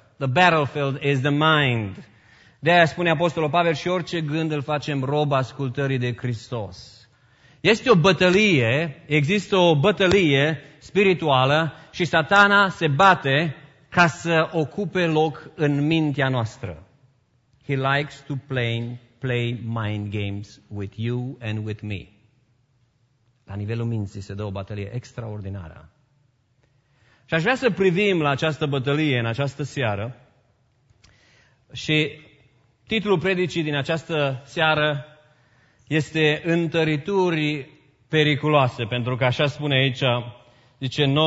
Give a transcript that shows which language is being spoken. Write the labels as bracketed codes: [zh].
[en] The battlefield is the mind. [ro] De-aia spune Apostolul Pavel: și orice gând îl facem rob ascultării de Hristos. Este o bătălie, există o bătălie spirituală și Satana se bate ca să ocupe loc în mintea noastră. [en] He likes to play mind games with you and with me. [ro] La nivelul minții se dă o bătălie extraordinară. Și aș vrea să privim la această bătălie în această seară și titlul predicii din această seară este Întărituri periculoase, pentru că așa spune aici, zice: